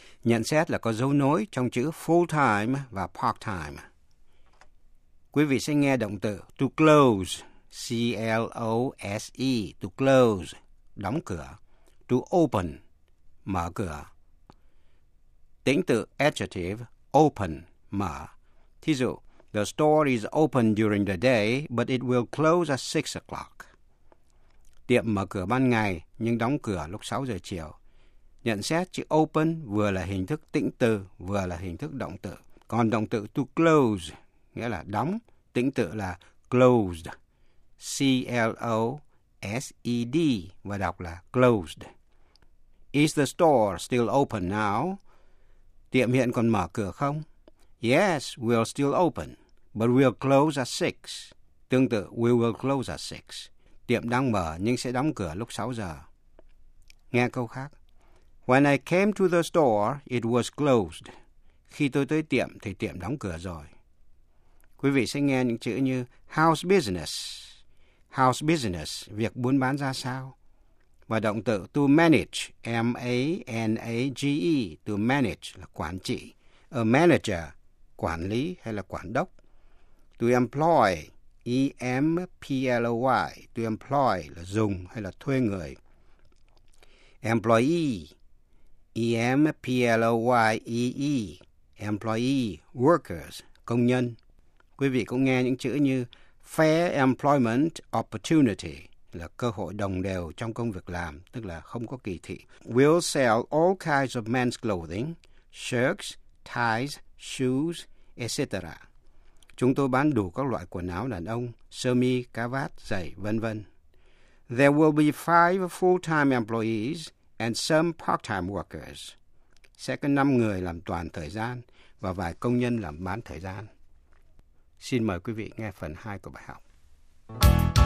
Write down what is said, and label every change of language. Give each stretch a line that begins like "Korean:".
Vietnamese: Nhận xét là có dấu nối trong chữ full-time và part-time. Quý vị sẽ nghe động từ to close, C-L-O-S-E, to close, đóng cửa. To open, mở cửa. Tính từ adjective, open, mở. Thí dụ,
English: the store is open during the day, but it will close at 6 o'clock.
Vietnamese: Tiệm mở cửa ban ngày, nhưng đóng cửa lúc 6 giờ chiều. Nhận xét chữ open vừa là hình thức tĩnh từ, vừa là hình thức động từ. Còn động từ to close nghĩa là đóng, tính tự là closed. C-L-O-S-E-D và đọc là closed.
English: Is the store still open now?
Vietnamese: Tiệm hiện còn mở cửa không?
English: Yes, we'll still open, but we'll close at 6.
Vietnamese: Tương tự,
English: we will close at 6.
Vietnamese: Tiệm đang mở nhưng sẽ đóng cửa lúc 6 giờ. Nghe câu khác.
English: When I came to the store, it was closed.
Vietnamese: Khi tôi tới tiệm thì tiệm đóng cửa rồi. Quý vị sẽ nghe những chữ như house business. House business, việc buôn bán ra sao? Và động từ to manage, M-A-N-A-G-E, to manage là quản trị. A manager, quản lý hay là quản đốc. To employ, E-M-P-L-O-Y, to employ là dùng hay là thuê người. Employee, E-M-P-L-O-Y-E-E, employee, workers, công nhân. Quý vị cũng nghe những chữ như fair employment opportunity, là cơ hội đồng đều trong công việc làm, tức là không có kỳ thị.
English: We'll sell all kinds of men's clothing, shirts, ties, shoes, etc.
Vietnamese: Chúng tôi bán đủ các loại quần áo đàn ông, sơ mi, cà vạt, giày, vân vân.
English: There will be 5 full-time employees and some part-time workers.
Vietnamese: Sẽ có 5 người làm toàn thời gian và vài công nhân làm bán thời gian. Xin mời quý vị nghe phần 2 của bài học.